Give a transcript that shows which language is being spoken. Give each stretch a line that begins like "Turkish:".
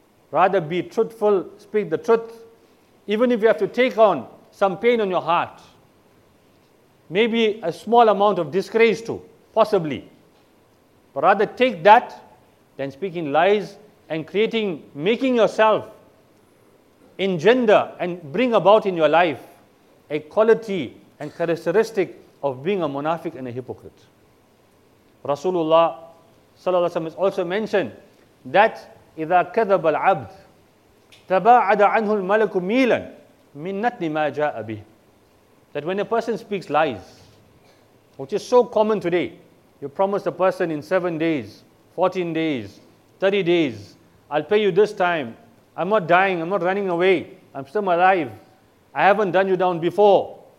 English: Rather be truthful, speak the truth. Even if you have to take on some pain on your heart, maybe a small amount of disgrace too, possibly. But rather take that than speaking lies and creating, making yourself engender and bring about in your life a quality and characteristic of being a munafiq and a hypocrite. Rasulullah sallallahu alaihi wasallam also mentioned that
Arabic: إِذَا كَذَبَ الْعَبْدِ تَبَاعَدَ عَنْهُ الْمَلَكُ مِيلًا مِنْ نَتْنِ مَا جَاءَ بِهِ.
English: That when a person speaks lies, which is so common today, you promise a person in 7 days, 14 days, 30 days, I'll pay you this time, I'm not dying, I'm not running away, I'm still alive, I haven't done you down before.